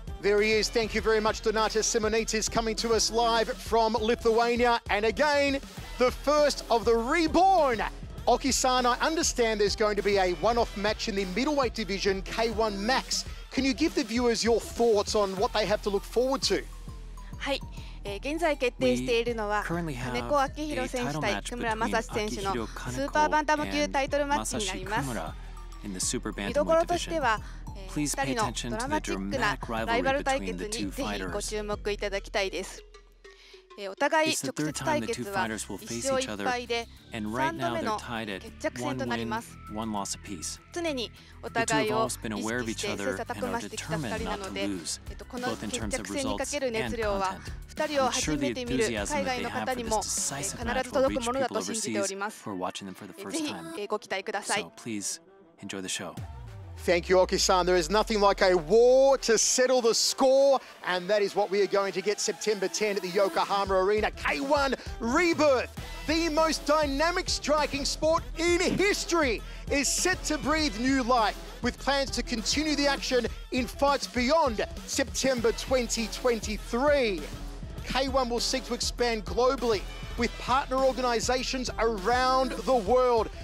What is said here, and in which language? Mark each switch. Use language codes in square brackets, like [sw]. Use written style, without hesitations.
[en] There he is. Thank you very much, Donatus Simonitis, coming to us live from Lithuania. And again, the first of the reborn Okisan. I understand there's going to be a one-off match in the middleweight division, K1 Max. Can you give the viewers your thoughts on what they have to look forward to? Hi. [ja] 現在決定しているのは金子昭弘選手対久村雅史選手のスーパーバンタム級タイトルマッチになります。見どころとしては2人のドラマチックなライバル対決にぜひご注目いただきたいです。お互い直接対決は1勝1敗で3度目の決着戦となります。常にお互いを意識して切磋琢磨してきた2人なので、この決着戦にかける熱量は2人を初めて見る海外の方にも必ず届くものだと信じております。ぜひご期待ください。 [en] Please enjoy the show. Thank you, Okisan. There is nothing like a war to settle the score. And that is what we are going to get September 10 at the Yokohama Arena. K1 Rebirth, the most dynamic striking sport in history, is set to breathe new life with plans to continue the action in fights beyond September 2023. K1 will seek to expand globally with partner organizations around the world.